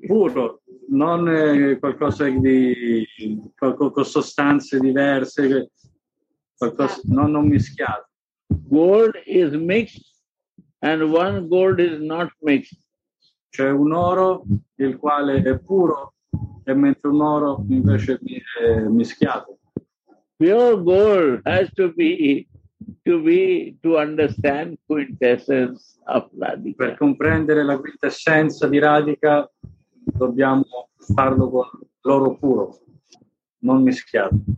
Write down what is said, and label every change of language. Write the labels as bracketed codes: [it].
[it] Puro, non qualcosa di con sostanze diverse, qualcosa non mischiato. [en] Gold is mixed and one gold is not mixed. [it] C'è un oro il quale è puro e mentre un oro invece è mischiato. [en] Pure gold has to be to understand quintessence of Radhika. [it] Per comprendere la quintessenza di Radhika dobbiamo farlo con l'oro puro, non mischiato.